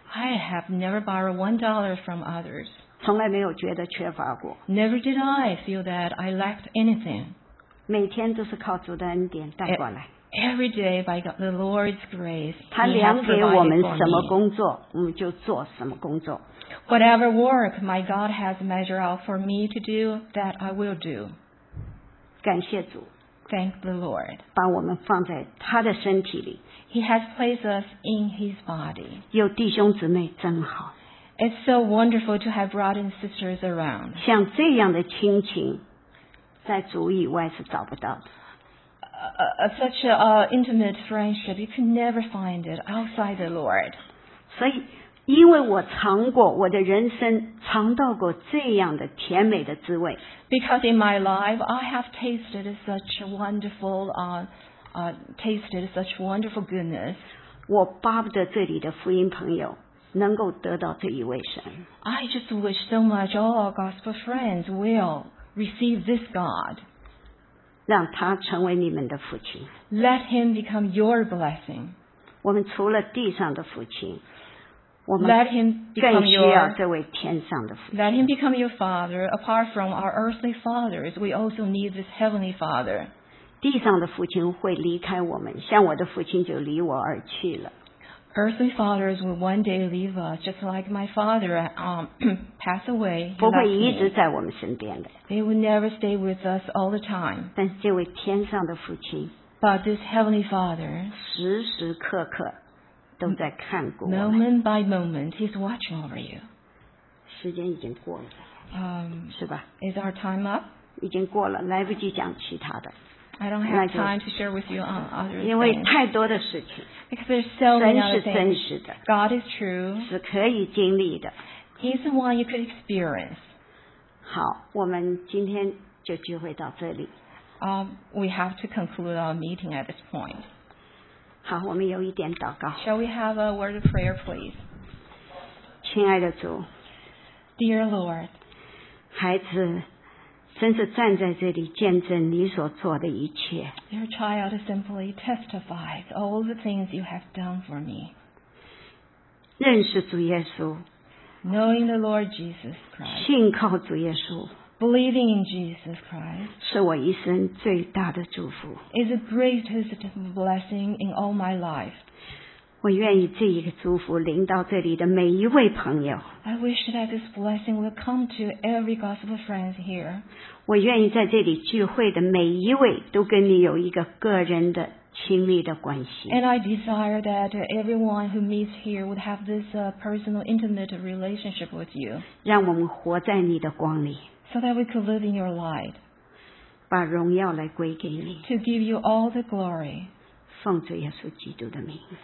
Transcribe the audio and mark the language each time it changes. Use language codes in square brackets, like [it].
[en] I have never borrowed $1 from others. [zh] 从来没有觉得缺乏过。 [en] Never did I feel that I lacked anything. [zh] 每天都是靠主的恩典带过来。 [en] Every day by God, the Lord's grace, [zh] 他量给我们什么工作，我们就做什么工作。 [en] Whatever work my God has measured out for me to do, that I will do. [zh] 感谢主。 [en] Thank the Lord. [zh] 把我们放在他的身体里。 [en] He has placed us in his body. [zh] 有弟兄姊妹真好。 [en] It's so wonderful to have brought in sisters around. [zh] 像这样的亲情，在主以外是找不到的。 [en] Such a intimate friendship, you could never find it outside the Lord. [zh] 所以，因为我尝过我的人生尝到过这样的甜美的滋味。 [en] Because in my life, I have tasted such wonderful, tasted such wonderful goodness. [zh] 我巴不得这里的福音朋友能够得到这一位神。 [en] I just wish so much all our gospel friends will receive this God. [zh] 让他成为你们的父亲。 [en] Let him become your blessing. [zh] 我们除了地上的父亲，我们 [en] Let him become your, [zh] 更需要这位天上的父亲。 [en] Let him become your father. Apart from our earthly fathers, we also need this heavenly father. [zh] 地上的父亲会离开我们，像我的父亲就离我而去了。 [en] Earthly fathers will one day leave us, just like my father pass away. [zh] 不会一直在我们身边的。 [en] They will never stay with us all the time. [zh] 但是这位天上的父亲， [en] But this Heavenly Father, [zh] 时时刻刻都在看过我们。 [en] Moment by moment, He's watching over you. [zh] 时间已经过了，是吧？ [en] Is our time up? [zh] 已经过了，来不及讲其他的。 [en] I don't have time to share with you on other things. [zh] 因为太多的事情。 [en] Because there's so many other things. [zh] 真是真实的。 [en] God is true. [zh] 是可以经历的。 [en] He's the one you could experience. [zh] 好，我们今天就聚会到这里。 [en] We have to conclude our meeting at this point. [zh] 好，我们有一点祷告。 [en] Shall we have a word of prayer, please? [zh] 亲爱的主。 [en] Dear Lord. [zh] 孩子，真是站在这里见证你所做的一切。 [en] Your child simply testifies all the things you have done for me. [zh] 认识主耶稣。 [en] Knowing the Lord Jesus Christ. [zh] 信靠主耶稣。 [en] Believing in Jesus Christ. [zh] 是我一生最大的祝福。 [en] Is the greatest blessing in all my life. [zh] 我愿意这一个祝福临到这里的每一位朋友。 [en] I wish that this blessing will come to every gospel friend here. [zh] 我愿意在这里聚会的每一位都跟你有一个个人的亲密的关系。 [en] And I desire that everyone who meets here would have this personal intimate relationship with you. [zh] 让我们活在你的光里。 [en] So that we could live in your light. [zh] 把荣耀来归给你。 [en] To give you all the glory. [zh] 奉主耶稣基督的名。